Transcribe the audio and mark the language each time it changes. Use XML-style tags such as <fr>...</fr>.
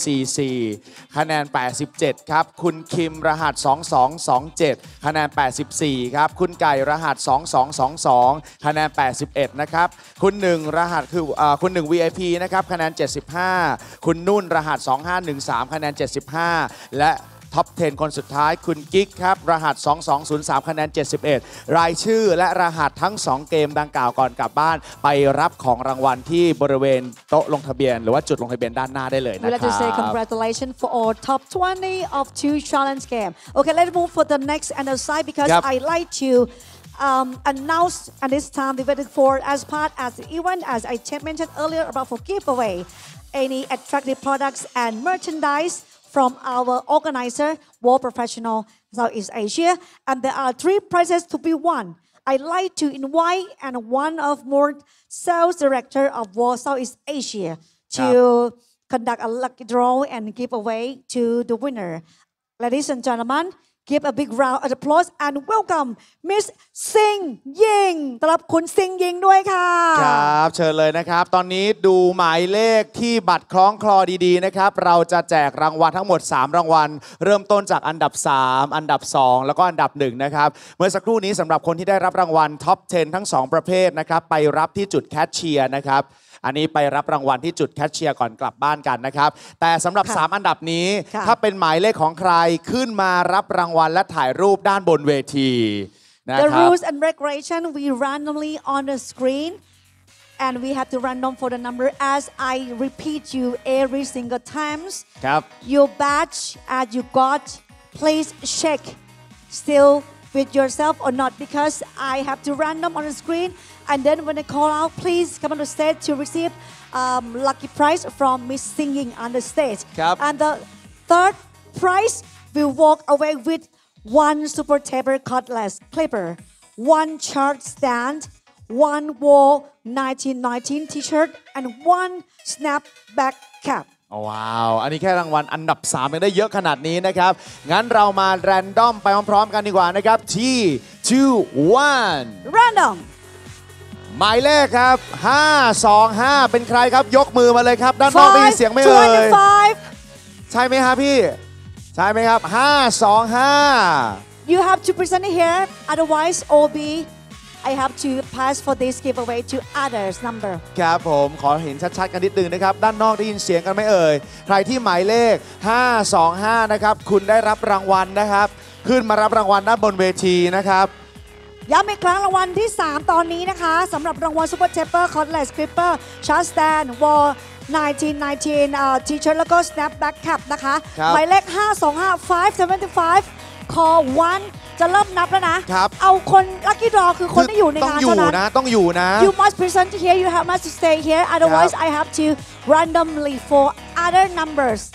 <th>2444คะแนน87ครับคุณคิมรหัส2227คะแนน84ครับคุณไก่รหัส2222คะแนน80นะครับคุณ1รหัสคือคุณ1 VIP นะครับคะแนน75คุณนุ่นรหัส2513คะแนน75และ ท็อป10คนสุดท้ายคุณกิ๊กครับรหัส2203คะแนน71รายชื่อและรหัสทั้ง2เกมดังกล่าวก่อนกลับบ้านไปรับของรางวัลที่บริเวณโต๊ะลงทะเบียนหรือว่าจุดลงทะเบียนด้านหน้าได้เลยนะครับ</th> <en>Let's say congratulations for all top 20 of two challenge game. Okay, let's move for the next and aside because yep. I like to announce and this time we waited for as part as even as I mentioned earlier about for giveaway any attractive products and merchandise. From our organizer, World Professional Southeast Asia, and there are three prizes to be won. I'd like to invite and one of more sales director of World Southeast Asia to conduct a lucky draw and give away to the winner. Ladies and gentlemen, give a big round of applause and welcome Miss Sing Ying.</en> <th>ต้อนรับคุณ Sing Ying ด้วยค่ะ ครับเชิญเลยนะครับตอนนี้ดูหมายเลขที่บัตรคล้องคลอดีๆนะครับเราจะแจกรางวัลทั้งหมด3รางวัลเริ่มต้นจากอันดับ3อันดับ2แล้วก็อันดับ1นะครับเมื่อสักครู่นี้สำหรับคนที่ได้รับรางวัลท็อป10ทั้ง2ประเภทนะครับไปรับที่จุดแคชเชียร์นะครับอันนี้ไปรับรางวัลที่จุดแคชเชียร์ก่อนกลับบ้านกันนะครับแต่สำหรับ3อันดับนี้ ถ้าเป็นหมายเลขของใครขึ้นมารับรางวัลและถ่ายรูปด้านบนเวทีนะครับ</th> <en>The rules and regulation we randomly on the screen and we have to random for the number as I repeat you every single times</en> <th>ครับ</th> <en>Your badge as you got please check still with yourself or not because I have to random on the screenAnd then when they call out, please come on the stage to receive lucky prize from Miss Singing on the stage. Yep. And the third prize will walk away with one super table cutlass clipper, one chart stand, one wall 1919 t-shirt, and one snapback cap.</en> <th>ว้าวอันนี้แค่รางวัลอันดับ3ยังได้เยอะขนาดนี้นะครับงั้นเรามาแรนดอมไปพร้อมๆกันดีกว่านะครับที่2 1</th> <en>random</en> <th>หมายเลขครับ525เป็นใครครับยกมือมาเลยครับด้านนอกได้ยินเสียงไม่เลย 525 ใช่มั้ยฮะพี่ใช่มั้ยครับ525</th> <en>You have to present here otherwise OB I have to pass for this giveaway to others number</en> <th>ครับผมขอเห็นชัดๆกันนิดนึงนะครับด้านนอกได้ยินเสียงกันไม่เอ่ยใครที่หมายเลข525นะครับคุณได้รับรางวัลนะครับขึ้นมารับรางวัลด้านบนเวทีนะครับ ย้ำอีกครั้งรางวัลที่3ตอนนี้นะคะสำหรับรางวัล Super Taper Cordless Clipper Chart Stand Wall 1919 T-shirt แล้วก็ Snapback Cap นะคะหมายเลข525 575 Call 1จะเริ่มนับแล้วนะ ครับ เอาคน Lucky Draw คือคนที่อยู่ในงานเท่านั้น ต้องอยู่นะต้องอยู่นะ</th> <en>You must present here you have must stay here otherwise I have to randomly for other numbers</en>